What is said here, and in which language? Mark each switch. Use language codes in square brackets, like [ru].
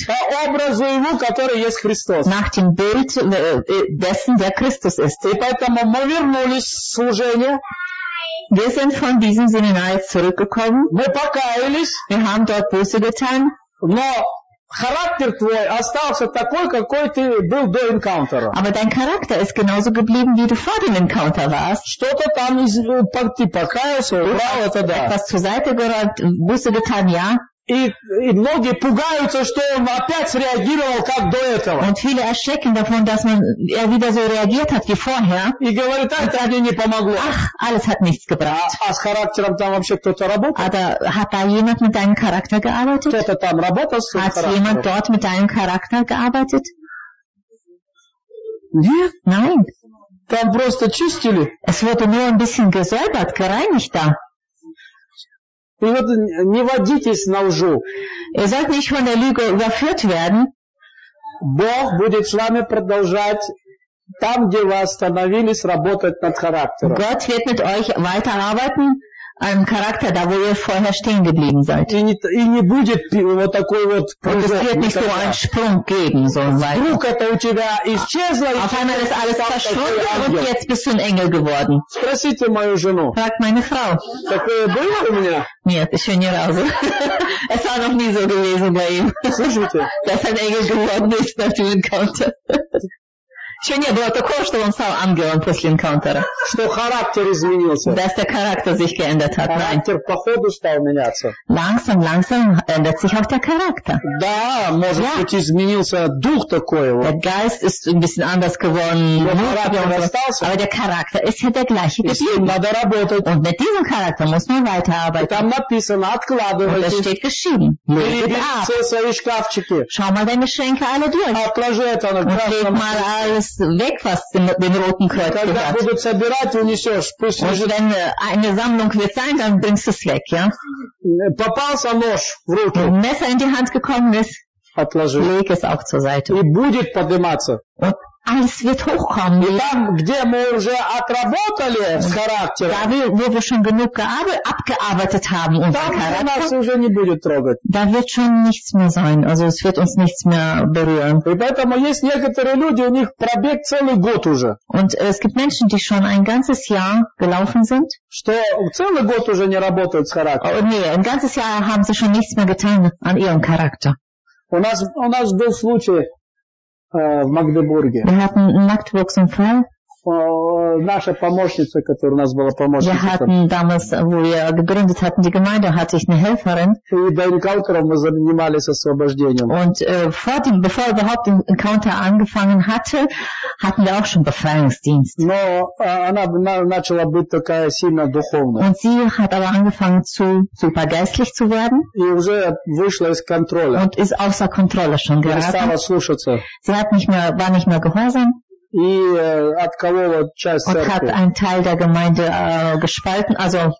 [ru] По образу его, который есть Христос. [de] Nach dem Bild dessen, der Christus ist. [ru] И поэтому мы вернулись в служение. [de] Wir sind von diesem Seminar jetzt zurückgekommen. Wir haben dort Buße getan. Aber dein Charakter ist genauso geblieben, wie du vor dem Encounter warst. Du hast etwas zur Seite geräumt, Buße getan, ja. [ru] И многие пугаются, что он опять среагировал, как до этого. [de] Und viele erschrecken davon, dass man wieder so reagiert hat, wie vorher. [ru] И говорят, ах, это мне не помогло. [de] Ach, alles hat nichts gebracht. [ru] А с характером там вообще кто-то работал? [de] Oder hat da jemand mit deinem Charakter gearbeitet? [ru] Кто-то там работал с твоим характером? [de] Hat jemand dort mit deinem Charakter gearbeitet? [ru] Нет. [de] Nein. [ru] Там просто чистили. [de] Es wurde nur ein bisschen gesäubert, gereinigt da. [ru] И вот не водитесь на лжу. [de] Ihr sollt nicht von der Lüge überführt werden. [ru] Бог будет с вами продолжать там, где вы остановились, работать над характером. [de] Gott wird mit euch weiterarbeiten am Charakter, da wo ihr vorher stehen geblieben seid. [ru] И не будет вот такой вот прыжок. [de] Und es wird nicht so ein Sprung geben, so weiter. [ru] Вдруг это у тебя исчезло. [de] Auf einmal ist alles verschwunden und jetzt bist du ein Engel geworden. [ru] Спросите мою жену. [de] Fragt meine Frau. [ru] Такое было у меня? Нет, еще ни разу. [de] Es war noch nie so gewesen bei ihm. [ru] Слышите? [de] Dass ein Engel geworden ist nach dem Encounter. [ru] Еще не было такого, что он стал ангелом после энкаунтера. Что характер изменился. [de] Dass der Charakter sich geändert hat. [ru] Характер по ходу стал меняться. [de] Langsam, langsam ändert sich auch der Charakter. [ru] Да, может быть, изменился дух такой. [de] Der Geist ist ein bisschen anders geworden. Aber der Charakter ist ja der gleiche geblieben. [ru] Надо работать. [de] Und mit diesem Charakter muss man weiterarbeiten. [ru] Там написано, откладывайте. [de] Und es steht geschrieben. [ru] Берегите свои шкафчики. [de] Schau mal deine Schränke alle durch. [ru] Отложи это на красном. [de] Alles weg, was den roten Kreuz gehört. Und wenn eine Sammlung wird sein, dann bringst du es weg, ja? [ru] Попался нож в руки. [de] Wenn ein Messer in die Hand gekommen ist, [ru] отложу. [de] Leg es auch zur Seite. [ru] И будет подниматься. [de] Alles wird hochkommen. [ru] И там, где мы уже отработали с характером, [de] da wir schon genug abgearbeitet haben, [ru] там нас уже не будет трогать. [de] Da wird schon nichts mehr sein. Also es wird uns nichts mehr berühren. [ru] И поэтому есть некоторые люди, у них пробег целый год уже. [de] Und es gibt Menschen, die schon ein ganzes Jahr gelaufen sind. [ru] Что целый год уже не работают с характером. [de] Oh, nee, ein ganzes Jahr haben sie schon nichts mehr getan an ihrem Charakter. [ru] У нас был случай. В Магдебурге. [de] Wir hatten in Magdeburg so einen Fall. [ru] Наша помощница, которая у нас была помощницей. [de] Wir hatten damals, wo wir gegründet hatten, die Gemeinde, hatte ich eine Helferin. [ru] И до Encounter мы занимались освобождением. [de] Und bevor überhaupt den Encounter angefangen hatte, hatten wir auch schon Befreiungsdienst. [ru] Но она начала быть такая сильно духовная. [de] Und sie hat aber angefangen zu super geistlich zu werden. [ru] И уже вышла из контроля. [de] Und ist außer Kontrolle schon geraten. [ru] Перестала слушаться. [de] Sie war nicht mehr gehorsam. Und hat einen Teil der Gemeinde gespalten, also